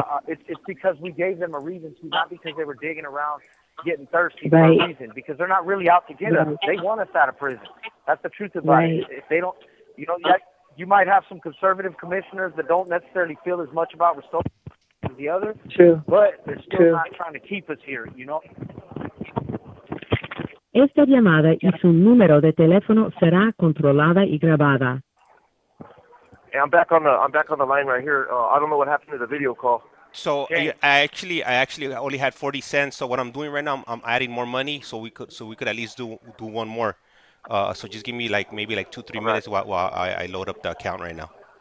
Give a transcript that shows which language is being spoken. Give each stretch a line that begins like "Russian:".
English: It's because we gave them a reason to, not because they were digging around getting thirsty for right. a reason, because they're not really out to get right. us. They want us out of prison. That's the truth about right. it. If they don't, you know, you might have some conservative commissioners that don't necessarily feel as much about restoring as the other. True. But they're still True. Not trying to keep us here, you know?
Spanish: Esta llamada y su número de teléfono será controlada y grabada.
English: Hey, I'm back on the line right here. I don't know what happened to the video call. So okay. I actually only had 40 cents. So what I'm doing right now, I'm adding more money so we could at least do one more. So just give me like maybe like 2-3 All minutes right. while I load up the account right now.